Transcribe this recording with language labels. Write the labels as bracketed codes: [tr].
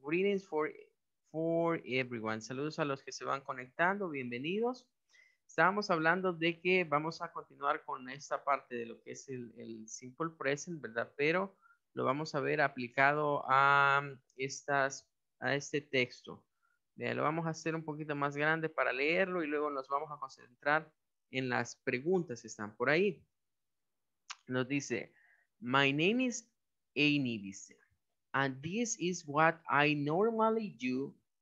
[en] Greetings for everyone. [es] Saludos a los que se van conectando. Bienvenidos. Estábamos hablando de que vamos a continuar con esta parte de lo que es el simple present, ¿verdad? Pero lo vamos a ver aplicado a este texto. Lo vamos a hacer un poquito más grande para leerlo y luego nos vamos a concentrar en las preguntas que están por ahí. Nos dice, [en] my name is Amy, dice, and this is what I normally do.